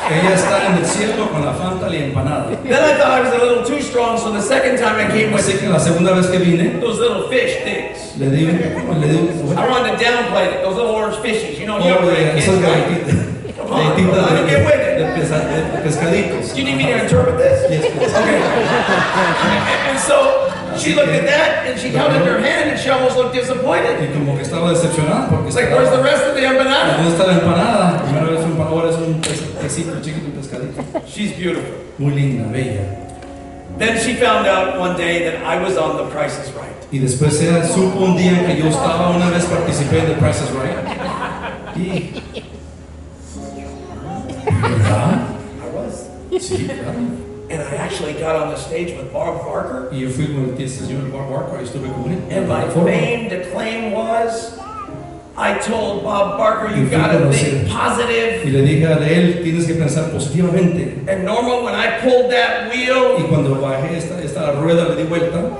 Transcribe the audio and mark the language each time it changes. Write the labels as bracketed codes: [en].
[es] Ella está en el cielo con la Fanta y empanada. [en] Then I thought I was a little too strong, so the second time I came with [es] que la segunda vez que vine, [en] those little fish things. [es] Le di, [en] I wanted to downplay it, those little orange fishes. You know, you're a kid, right? Come on, [es] de, [en] let me get with it. [es] Pescaditos. [en] Do you need me to interpret this? Yes, please. Okay. And so, she looked at that and she held it in her hand and she almost looked disappointed. [es] Y como que estaba decepcionada porque [en] like, where's the rest of the empanada? [es] ¿Dónde está la empanada? Primero es un panadero, es un pescadito, chiquito, un pescadito. [en] She's beautiful. [es] Muy linda, bella. [en] Then she found out one day that I was on The Price is Right. [es] Y después ella supo un día que yo estaba una vez participé en The Price is Right. ¿Verdad? [en] I was. [es] Sí, claro. [en] And I actually got on the stage with Bob Barker. [es] Y yo fui con el testimonio de Bob Barker. [en] And my fame to claim was, I told Bob Barker, you got to think positive. [es] Y le dije a él, tienes que pensar positivamente. [en] And normal, when I pulled that wheel, [es] y cuando bajé esta rueda, le di vuelta,